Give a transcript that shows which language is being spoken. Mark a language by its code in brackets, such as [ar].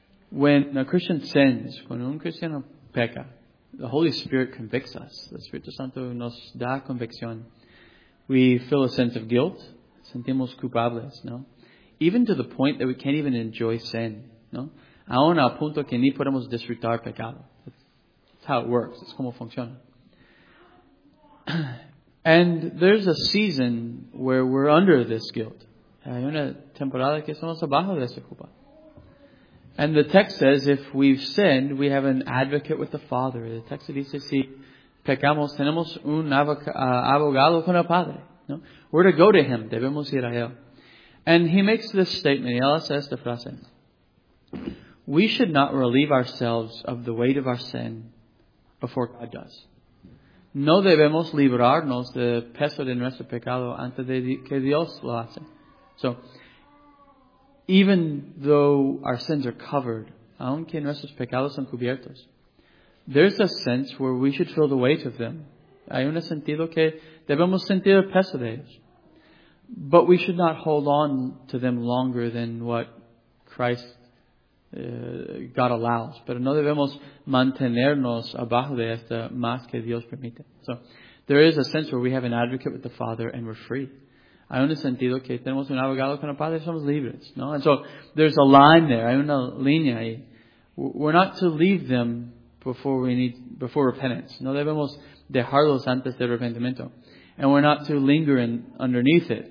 [en] When a Christian sins, [es] cuando un cristiano peca, [en] the Holy Spirit convicts us. [es] El Espíritu Santo nos da convicción. [en] We feel a sense of guilt. [es] Sentimos culpables, ¿no? [en] Even to the point that we can't even enjoy sin, ¿no? [es] Aún al punto que ni podemos disfrutar pecado. [en] That's how it works. It's [es] como funciona. [en] And there's a season where we're under this guilt. [es] Hay una temporada que estamos abajo de esa culpa. [en] And the text says, if we've sinned, we have an advocate with the Father. [es] The text dice, si pecamos, tenemos un abogado con el Padre. No? [en] We're to go to Him. [es] Debemos ir a Él. [en] And He makes this statement. [es] Y él hace esta frase. [en] We should not relieve ourselves of the weight of our sin before God does. [es] No debemos librarnos del peso de nuestro pecado antes de que Dios lo hace. [en] So, even though our sins are covered, [es] aunque nuestros pecados son cubiertos, [en] there's a sense where we should feel the weight of them. [es] Hay un sentido que debemos sentir el peso de ellos. [en] But we should not hold on to them longer than what Christ, God allows. [es] Pero no debemos mantenernos abajo de esta más que Dios permite. [en] So, there is a sense where we have an advocate with the Father and we're free. [es] Hay un sentido que tenemos un abogado con el Padre y somos libres, ¿no? [en] And so, there's a line there. [es] Hay una línea ahí. [en] We're not to leave them before repentance. [es] No debemos dejarlos antes del arrepentimiento. [en] And we're not to linger underneath it.